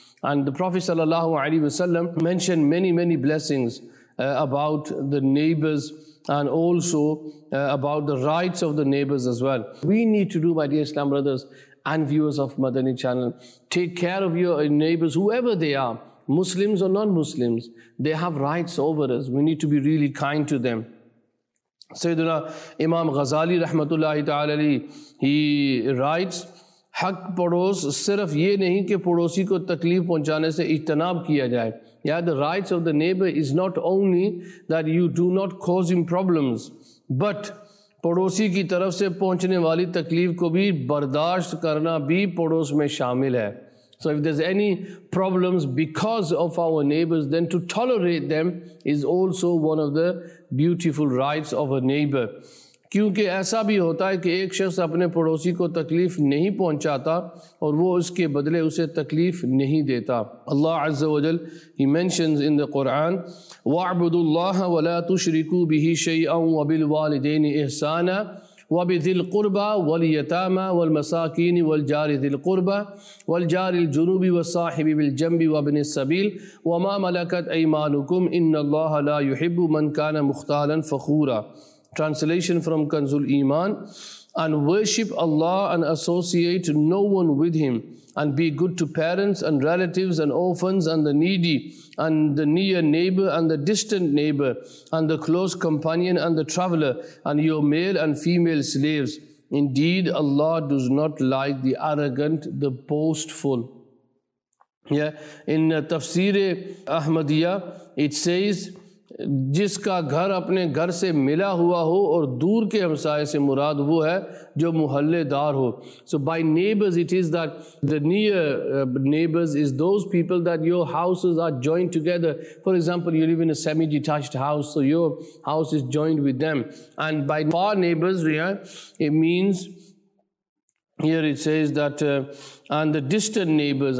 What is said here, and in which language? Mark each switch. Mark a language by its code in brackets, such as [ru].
[en] And the Prophet ﷺ mentioned many, many blessings about the neighbors and also about the rights of the neighbors as well. We need to do, my dear Islam brothers and viewers of Madani Channel, take care of your neighbors, whoever they are, Muslims or non-Muslims. They have rights over us. We need to be really kind to them. [ur] Sayyidina Imam Ghazali rahmatullahi ta'ala, [en] he writes, [ur] حق پڑوس صرف یہ نہیں کہ پڑوسی کو تکلیف پہنچانے سے اجتناب کیا جائے. [en] Yeah, the rights of the neighbor is not only that you do not cause him problems, but [ur] پڑوسی کی طرف سے پہنچنے والی تکلیف کو بھی برداشت کرنا بھی پڑوس میں شامل ہے. [en] So if there's any problems because of our neighbors, then to tolerate them is also one of the beautiful rights of a neighbor. [ur] کیونکہ ایسا بھی ہوتا ہے کہ ایک شخص اپنے پڑوسی کو تکلیف نہیں پہنچاتا اور وہ اس کے بدلے اسے تکلیف نہیں دیتا. [ar] اللہ عز و جل, [en] he mentions in the Quran, [ar] وَاعْبُدُوا اللَّهَ وَلَا تُشْرِكُوا بِهِ شَيْئًا وَبِالْوَالِدَيْنِ إِحْسَانًا وَبِذِي الْقُرْبَى وَالْيَتَامَى وَالْمَسَاكِينِ وَالْجَارِ ذِي الْقُرْبَى وَالْجَارِ الْجُنُوبِ وَالصَّاحِبِ بِالْجَنْبِ وَابْنِ السَّبِيلِ وَمَا مَلَكَتْ أَيْمَانُكُمْ إِنَّ اللَّهَ لَا يُحِبُّ مَنْ كَانَ مُخْتَالًا فَخُورًا. [en] Translation from Kanzul Iman, and worship Allah and associate no one with Him, and be good to parents and relatives and orphans and the needy and the near neighbor and the distant neighbor and the close companion and the traveler and your male and female slaves. Indeed, Allah does not like the arrogant, the boastful. Yeah, in Tafsir Ahmadiyya, it says, [ur] جس کا گھر اپنے گھر سے ملا ہوا ہو اور دور کے ہمسائے سے مراد وہ ہے جو محلے دار ہو. [en] So by neighbors it is that the near neighbors is those people that your houses are joined together. For example, you live in a semi-detached house, so your house is joined with them. And by far neighbors, it means, here it says that, and the distant neighbors.